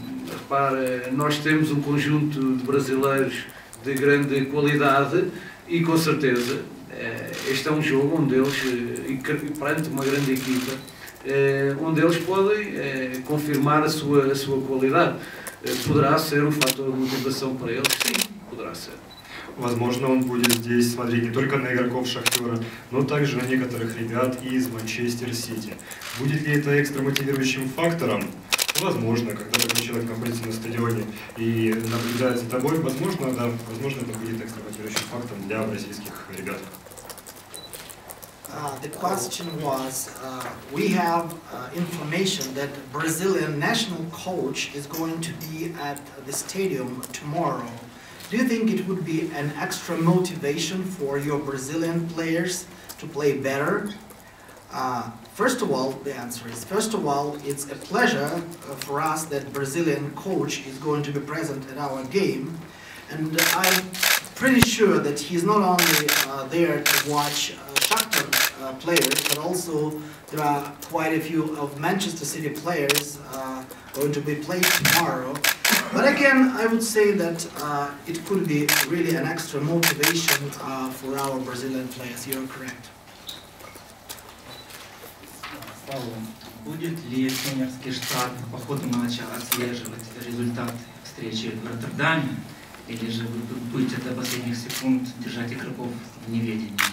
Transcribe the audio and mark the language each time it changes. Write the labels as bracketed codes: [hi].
[pt] Repara, nós temos um conjunto de brasileiros de grande qualidade e, com certeza, este é um jogo onde eles, perante uma grande equipa, onde eles podem confirmar a sua qualidade. Poderá ser um fator de motivação para eles? Sim, poderá ser. [ru] Возможно, он будет здесь смотреть не только на игроков Шахтера, но также на некоторых ребят из Манчестер Сити. Будет ли это экстра мотивирующим фактором? Возможно, когда такой человек находится на стадионе и наблюдает за тобой, возможно, да, возможно, это будет экстра мотивирующим фактором для бразильских ребят. [en] The question was, we have information that Brazilian national coach is going to be at the stadium tomorrow. Do you think it would be an extra motivation for your Brazilian players to play better? First of all, the answer is, first of all, it's a pleasure for us that Brazilian coach is going to be present at our game. And I'm pretty sure that he's not only there to watch Shakhtar players, but also there are quite a few of Manchester City players going to be played tomorrow. But again, I would say that it could be really an extra motivation for our Brazilian players. You're correct. [ru] Paulo, будет ли тренерский штаб по ходу матча отслеживать результат встречи в Роттердаме, или же вы будете до последних секунд держать игроков в неведении?